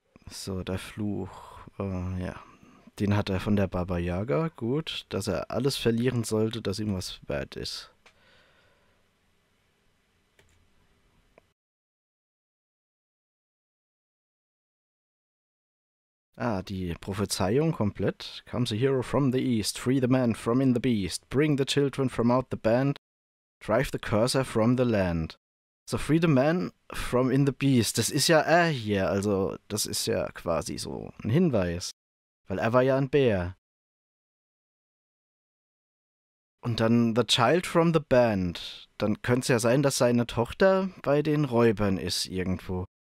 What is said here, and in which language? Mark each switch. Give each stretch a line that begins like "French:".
German: So, der Fluch. Ja. Den hat er von der Baba Yaga. Gut, dass er alles verlieren sollte, dass ihm was wert ist. Ah, die Prophezeiung komplett.
English: Comes a hero from the east, free the man from in the beast, bring the children from out the band, drive the cursor from the land.
German: So, free the man from in the beast, das ist ja er hier, also das ist ja quasi so ein Hinweis. Weil er war ja ein Bär. Und dann the child from the band, dann könnte es ja sein, dass seine Tochter bei den Räubern ist irgendwo.